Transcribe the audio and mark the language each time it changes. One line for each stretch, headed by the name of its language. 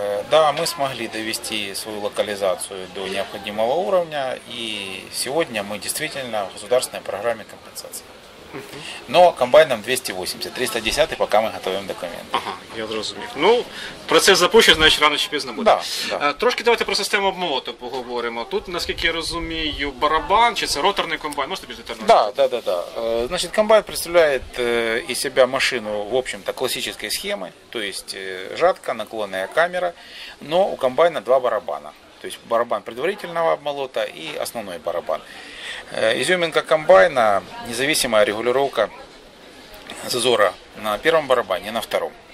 Russian: Да, мы смогли довести свою локализацию до необходимого уровня, и сегодня мы действительно в государственной программе компенсации. Но комбайном 280, 310 пока мы готовим документы.
Ukrainian: Ага, я зрозумів. Ну, процес запущен,
Russian: значит,
Ukrainian: рано чи пізно буде. Да, Трошки давайте про систему обмолоту поговоримо. Тут, наскільки я розумію, барабан, чи це роторний комбайн, можете більш детально?
Russian: Да. Значит, комбайн представляет из себя машину, в общем-то, классической схемы, то есть жатка, наклонная камера, но у комбайна два барабана. То есть барабан предварительного обмолота и основной барабан. Изюминка комбайна – независимая регулировка зазора на первом барабане, на втором.